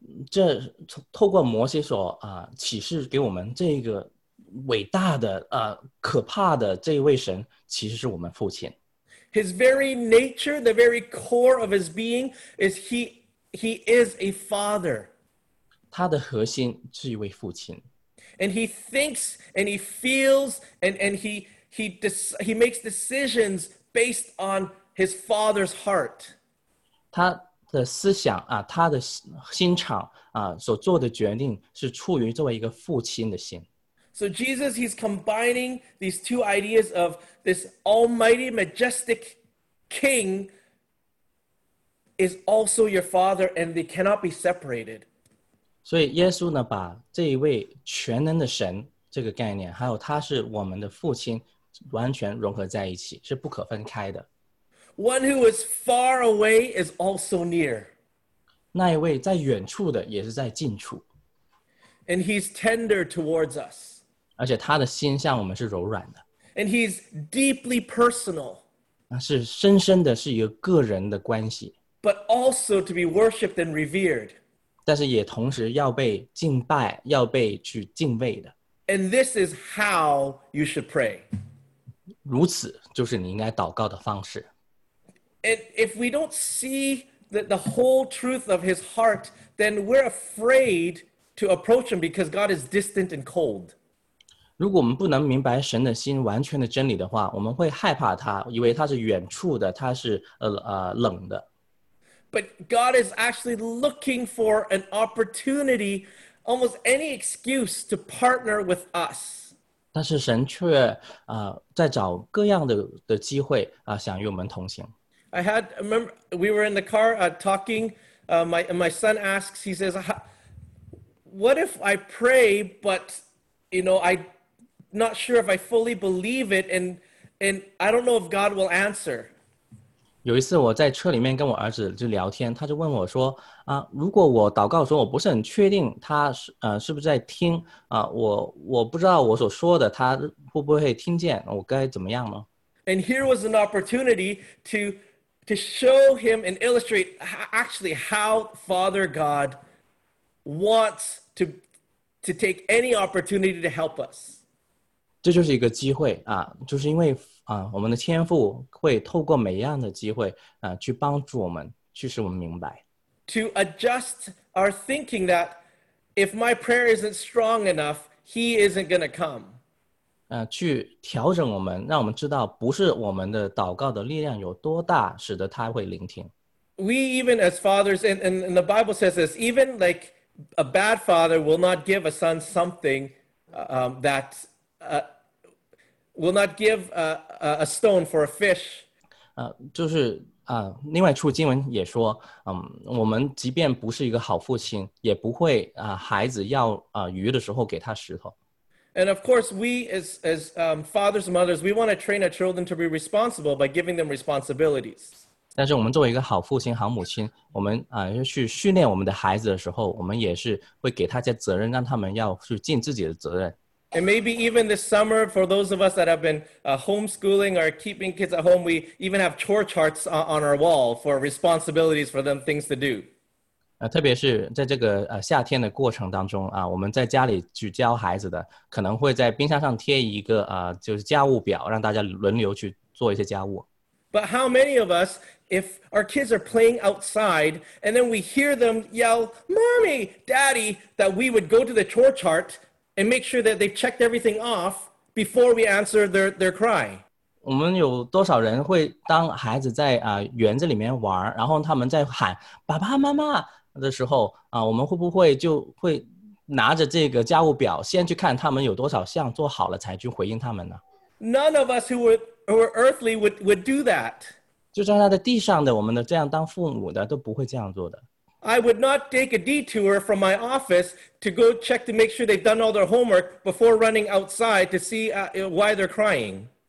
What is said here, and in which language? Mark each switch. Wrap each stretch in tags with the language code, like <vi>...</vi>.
<zh>这透过摩西所启示给我们这个伟大的可怕的这一位神，其实是我们父亲。</zh> <en>His very nature, the very core of his being, is he is a father.</en> <zh>他的核心是一位父亲。</zh> <en>And he thinks and he feels and he makes decisions based on his father's heart.</en> <zh>他的思想他的心肠所做的决定是出于作为一个父亲的心。</zh> <en>So Jesus, he's combining these two ideas of this almighty majestic king is also your father and they cannot be separated.</en> <zh>所以耶稣呢，把这一位全能的神这个概念，还有他是我们的父亲，完全融合在一起，是不可分开的。</zh> <en>One who is far away is also near.</en> <zh>那一位在远处的也是在近处。</zh> <en>And he's tender towards us.</en> <zh>而且他的心向我们是柔软的。</zh> <en>And he's deeply personal.</en> <zh>那是深深的，是一个个人的关系。</zh> <en>But also to be worshipped and revered.</en> <zh>但是也同时要被敬拜，要被去敬畏的。</zh> <en>And this is how you should pray.</en> <zh>如此就是你应该祷告的方式。</zh> <en>And if we don't see the whole truth of his heart, then we're afraid to approach him because God is distant and cold.</en> <zh>如果我们不能明白神的心完全的真理的话，我们会害怕他，以为他是远处的，他是冷的。</zh> <en>But God is actually looking for an opportunity, almost any excuse to partner with us.</en> <zh>但是神却在找各样的机会想与我们同行。</zh> <en>I had, remember, we were in the car talking, my son asks, he says, what if I pray, but, you know, I'm not sure if I fully believe it, and I don't know if God will answer.</en> <zh>有一次我在车里面跟我儿子就聊天，他就问我说，如果我祷告说我不是很确定他是不是在听，我不知道我所说的他会不会听见，我该怎么样呢？</zh> <en>And here was an opportunity to show him and illustrate actually how Father God wants to take any opportunity to help us.</en> <zh>这就是一个机会啊，就是因为我们的天父会透过每一样的机会去帮助我们，去使我们明白。</zh> <en>To adjust our thinking that if my prayer isn't strong enough, he isn't going to come.</en> <zh>去调整我们，让我们知道不是我们的祷告的力量有多大，使得他会聆听。</zh> <en>We even as fathers, and the Bible says this, even like a bad father will not give a son something that will not give a stone for a fish.</en> <zh>就是另外一处经文也说，我们即便不是一个好父亲，也不会孩子要鱼的时候给他石头。</zh> <en>And of course, we as fathers and mothers, we want to train our children to be responsible by giving them responsibilities.</en> <zh>但是我们作为一个好父亲、好母亲，我们去训练我们的孩子的时候，我们也是会给他一些责任，让他们要去尽自己的责任。</zh> <en>And maybe even this summer, for those of us that have been homeschooling or keeping kids at home, we even have chore charts on our wall for responsibilities for them, things to do.</en> <zh>特别是在这个夏天的过程当中我们在家里去教孩子的，可能会在冰箱上贴一个就是家务表，让大家轮流去做一些家务。</zh> <en>But how many of us, if our kids are playing outside, and then we hear them yell, "Mommy, Daddy," that we would go to the chore chart and make sure that they've checked everything off before we answer their cry.</en> <zh>我们有多少人会当孩子在园子里面玩，然后他们在喊爸爸妈妈的时候我们会不会就会拿着这个家务表先去看他们有多少项做好了才去回应他们呢？</zh> <en>None of us who were earthly would do that.</en> <zh>就算在地上的我们的这样当父母的都不会这样做的。</zh> <en>I would not take a detour from my office to go check to make sure they've done all their homework before running outside to see why they're crying.</en>